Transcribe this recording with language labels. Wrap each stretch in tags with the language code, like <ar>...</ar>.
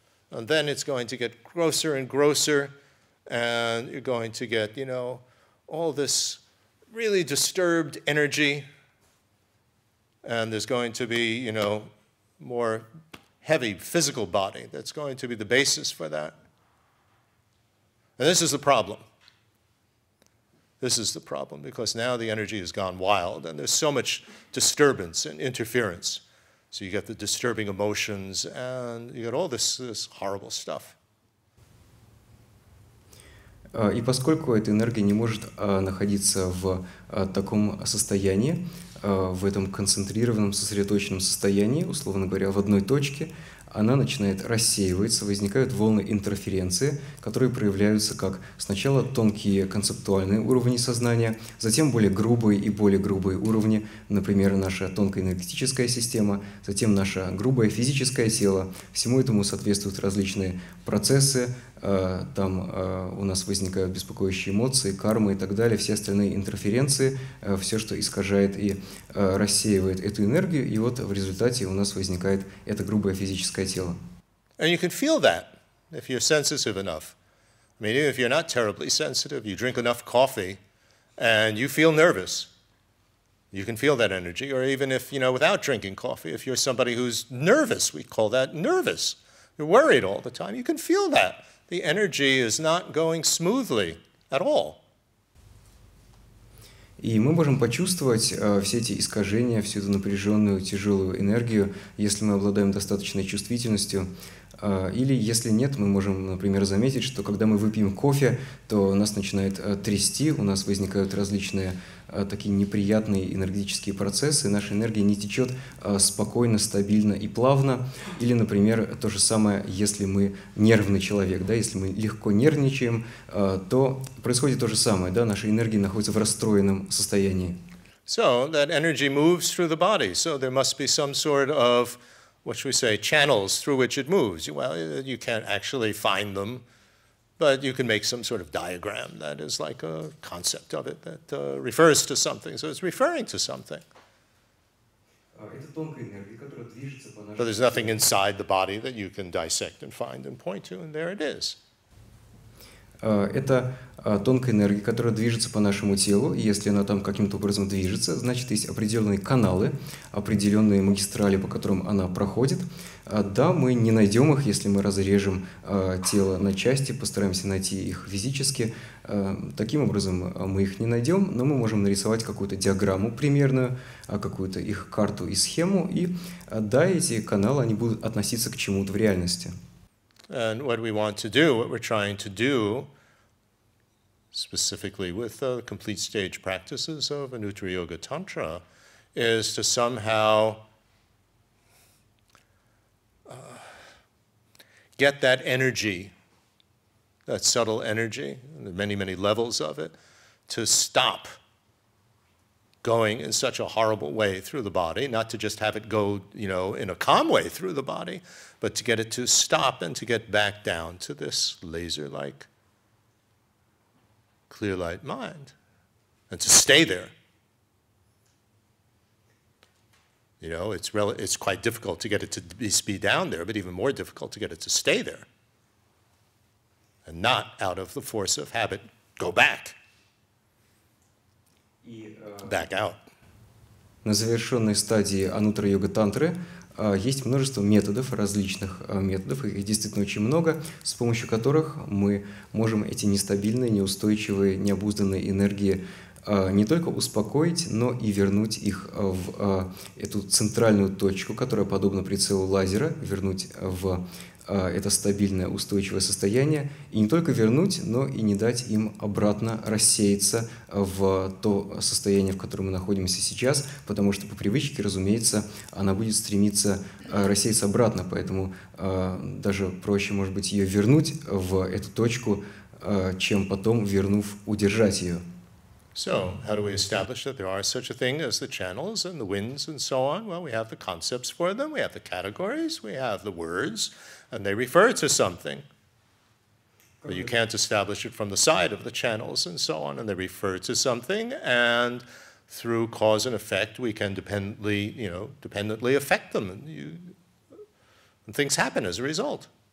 <en>And then it's going to get grosser and grosser, and you're going to get, all this really disturbed energy, and there's going to be, more heavy physical body that's going to be the basis for that. And this is the problem. This is the problem, because now the energy has gone wild and there's so much disturbance and interference. So you get the disturbing emotions and you get all this horrible stuff.</en> <ru>И поскольку эта энергия не может находиться в таком состоянии, в этом концентрированном, сосредоточенном состоянии, условно говоря, в одной точке, она начинает рассеиваться, возникают волны интерференции, которые проявляются как сначала тонкие концептуальные уровни сознания, затем более грубые и более грубые уровни, например, наша тонкая энергетическая система, затем наше грубое физическое тело. Всему этому соответствуют различные процессы, там у нас возникают беспокоящие эмоции, карма и так далее, все остальные интерференции, все, что искажает и рассеивает эту энергию, и вот в результате у нас возникает это грубое физическое тело.</ru> <en>And you can feel that, if you're sensitive enough. I mean, if you're not terribly sensitive, you drink enough coffee, and you feel nervous, you can feel that energy. Or even if, without drinking coffee, if you're somebody who's nervous, we call that nervous, you're worried all the time, you can feel that. The energy is not going smoothly at all.</en> <ru>И мы можем почувствовать все эти искажения, всю эту напряженную, тяжелую энергию, если мы обладаем достаточной чувствительностью. Или если нет, мы можем, например, заметить, что когда мы выпьем кофе, то нас начинает трясти, у нас возникают различные такие неприятные энергетические процессы, наша энергия не течет спокойно, стабильно и плавно. Или, например, то же самое, если мы нервный человек, да, если мы легко нервничаем, то происходит то же самое, да, наша энергия находится в расстроенном состоянии.</ru> <en>So that energy moves through the body, so there must be some sort of, what should we say, channels through which it moves. Well, you can't actually find them, but you can make some sort of diagram that is like a concept of it that refers to something. So it's referring to something. But there's nothing inside the body that you can dissect and find and point to, and there it is.</en> <ru>Это тонкая энергия, которая движется по нашему телу, и если она там каким-то образом движется, значит, есть определенные каналы, определенные магистрали, по которым она проходит. Да, мы не найдем их, если мы разрежем тело на части, постараемся найти их физически. Таким образом мы их не найдем, но мы можем нарисовать какую-то диаграмму примерную, какую-то их карту и схему, и да, эти каналы, они будут относиться к чему-то в реальности.</ru> <en>And what we want to do, what we're trying to do, specifically with the complete stage practices of Anuttara Yoga Tantra, is to somehow get that energy, that subtle energy, and there are many, many levels of it, to stop going in such a horrible way through the body, not to just have it go, you know, in a calm way through the body, but to get it to stop and to get back down to this laser-like clear light mind, and to stay there. You know, it's quite difficult to get it to be down there, but even more difficult to get it to stay there and not out of the force of habit go back. Back out.</en> <ru>На завершенной стадии анутра-йога-тантры есть множество методов, различных методов, их действительно очень много, с помощью которых мы можем эти нестабильные, неустойчивые, необузданные энергии не только успокоить, но и вернуть их в эту центральную точку, которая подобна прицелу лазера, вернуть в это стабильное, устойчивое состояние, и не только вернуть, но и не дать им обратно рассеяться в то состояние, в котором мы находимся сейчас, потому что по привычке, разумеется, она будет стремиться рассеяться обратно, поэтому даже проще, может быть, ее вернуть в эту точку, чем потом, вернув, удержать ее.</ru> <en>So, how do we establish that there are such a thing as the channels and the winds and so on? Well, we have the concepts for them, we have the categories, we have the words, and they refer to something. But you can't establish it from the side of the channels and so on, and they refer to something, and through cause and effect, we can dependently, you know, dependently affect them, and things happen as a result.</en>